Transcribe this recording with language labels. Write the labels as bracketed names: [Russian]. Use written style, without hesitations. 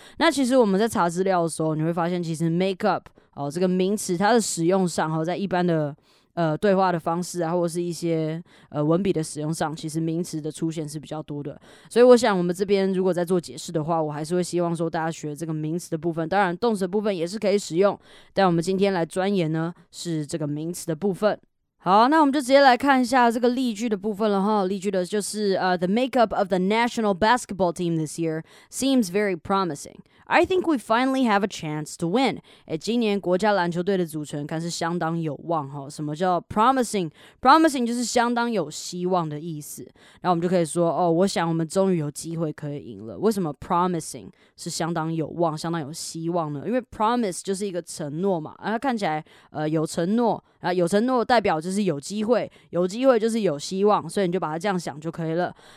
[Chinese] 那其实我们在查资料的时候，你会发现其实 make up 哦这个名词它的使用上哈，在一般的对话的方式啊，或者是一些文笔的使用上，其实名词的出现是比较多的。所以我想，我们这边如果在做解释的话，我还是会希望说大家学这个名词的部分。当然，动词的部分也是可以使用，但我们今天来钻研呢是这个名词的部分。好，那我们就直接来看一下这个例句的部分了哈。例句的就是 [English] the makeup of the national basketball team this year seems very promising. I think we finally have a chance to win. [Chinese] 今年国家篮球队的组成看是相当有望哈。什么叫 promising？ Promising 就是相当有希望的意思。然后我们就可以说哦，我想我们终于有机会可以赢了。为什么 promising 是相当有望、相当有希望呢？因为 promise 就是一个承诺嘛，它看起来有承诺，有承诺代表就是有机会，有机会就是有希望，所以你就把它这样想就可以了。